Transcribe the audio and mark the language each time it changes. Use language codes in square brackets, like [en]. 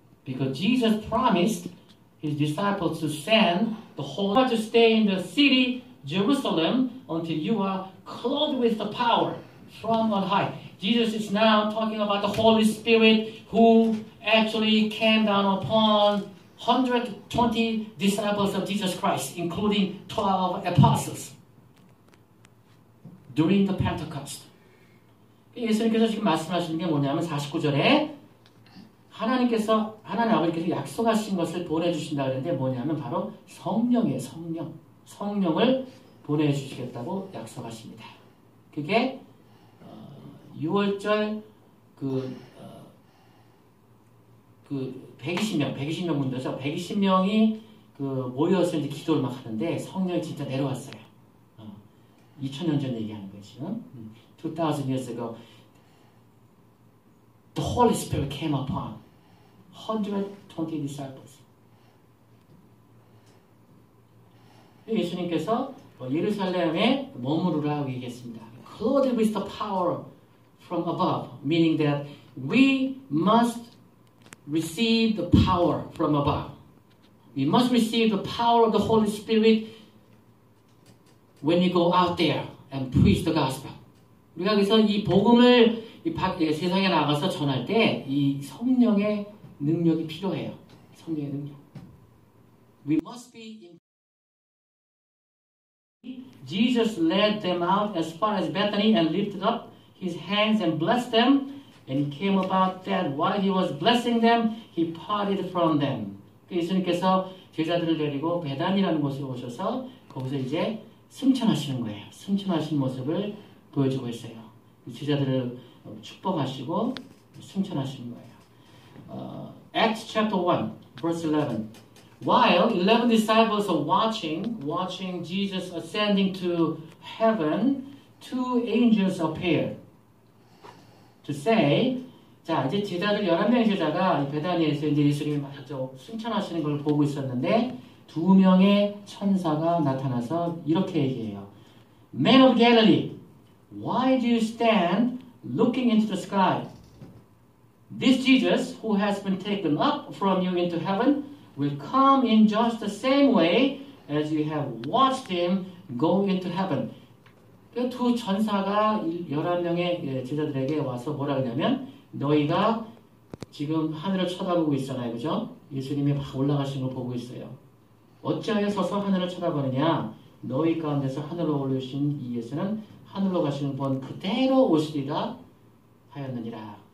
[en] Because Jesus promised his disciples to send the Holy Spirit to stay in the city, Jerusalem, until you are clothed with the power from on high. Jesus is now talking about the Holy Spirit who actually came down upon 120 disciples of Jesus Christ, including 12 apostles. During the Pentecost. [ko] 예수님께서 지금 말씀하시는 게 뭐냐면 49절에 하나님 아버지께서 약속하신 것을 보내주신다 그랬는데 뭐냐면 바로 성령이에요. 성령. 성령을 보내주시겠다고 약속하십니다. 그게 6월절 그 120명, 120명 분들에서 120명이 그 모여서 이제 기도를 막 하는데 성령이 진짜 내려왔어요. 2000년 전 얘기하는 거지. [en] 2000 years ago the Holy Spirit came upon 120 disciples. [ko] 예수님께서 예루살렘에 머무르라고 얘기했습니다. [en] Clothed with the power from above, meaning that we must receive the power from above. We must receive the power of the Holy Spirit when you go out there and preach the gospel. [ko] 우리가 그래서 이 복음을 세상에 나가서 전할 때 이 성령의 능력이 필요해요. 성령의 능력. [en] We must be in Jesus led them out as far as Bethany and lifted up his hands and blessed them. And it came about that while he was blessing them, he parted from them. [ko] 예수님께서 제자들을 데리고 베다니라는 곳으로 오셔서 거기서 이제 승천하시는 거예요. 승천하신 모습을 보여주고 있어요. 제자들을 축복하시고 승천하시는 거예요. [en] Acts chapter 1, verse 11. While 11 disciples are watching Jesus ascending to heaven, two angels appear to say, [ko] 자, 이제 제자들 11명의 제자가 베다니에서 이제 예수님 맞죠 승천하시는 걸 보고 있었는데 두 명의 천사가 나타나서 이렇게 얘기해요. [en] Men of Galilee, why do you stand looking into the sky? This Jesus who has been taken up from you into heaven will come in just the same way as you have watched him go into heaven. [ko] 그 두 천사가 11명의 제자들에게 와서 뭐라 그러냐면 너희가 지금 하늘을 쳐다보고 있잖아요. 그죠? 예수님이 막 올라가시는 걸 보고 있어요. 어찌하여 서서 하늘을 쳐다보느냐? 너희 가운데서 하늘로 올려주신 이 예수는 하늘로 가시는 분 그대로 오시리라 하였느니라.